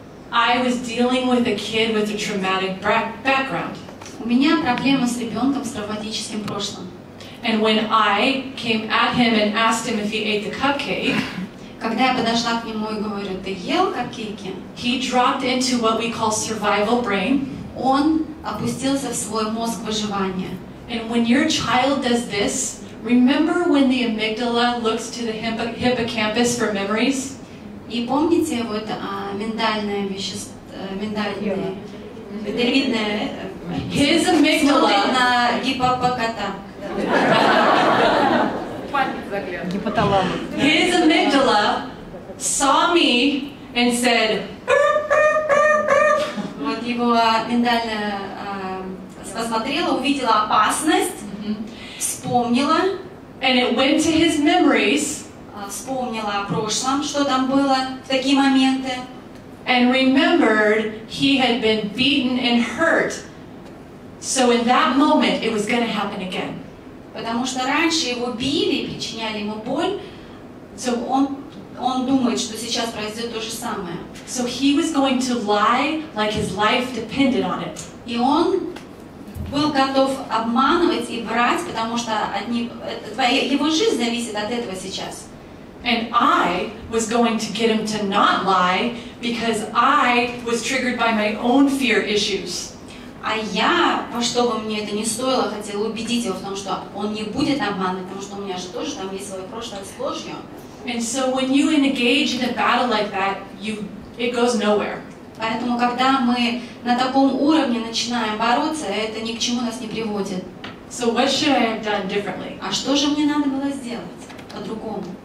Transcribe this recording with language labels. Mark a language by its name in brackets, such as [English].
[English] I was dealing with a kid with a traumatic background. [Russian] У меня проблема с ребенком с травматическим прошлым. [English] And when I came at him and asked him if he ate the cupcake, [Russian] когда я подошла к нему и говорю, ты ел капкейки? [English] He dropped into what we call survival brain. [Russian] Он опустился в свой мозг выживания. [English] And when your child does this, Remember when the amygdala looks to the hippocampus for memories? [Russian] И помните вот миндальное вещество, миндальное, дельвинное. [English] His amygdala. [Russian] Смотрит на гиппопотама. [English] Гипоталамус. His amygdala saw me and said. [Russian] Вот его миндальное посмотрело, увидела опасность. Вспомнила, [English] and it went to his memories, [Russian] вспомнила о прошлом, что там было в такие моменты, [English] and remembered he had been beaten and hurt, so in that moment it was going to happen again. [Russian] Потому что раньше его били, причиняли ему боль, so он думает, что сейчас произойдет то же самое. [English] So he was going to lie like his life depended on it. [Russian] И он был готов обманывать и врать, потому что одни, твоя, его жизнь зависит от этого сейчас. [English] And I was going to get him to not lie because I was triggered by my own fear issues. [Russian] А я, во что бы мне это ни стоило, хотела убедить его в том, что он не будет обманывать, потому что у меня же тоже там есть свое прошлое с ложью. [English] And so when you engage in a battle like that, you it goes nowhere. [Russian] Поэтому когда мы на таком уровне начинаем бороться, это ни к чему нас не приводит. [English] So what should I have done differently? [Russian] А что же мне надо было сделать по-другому?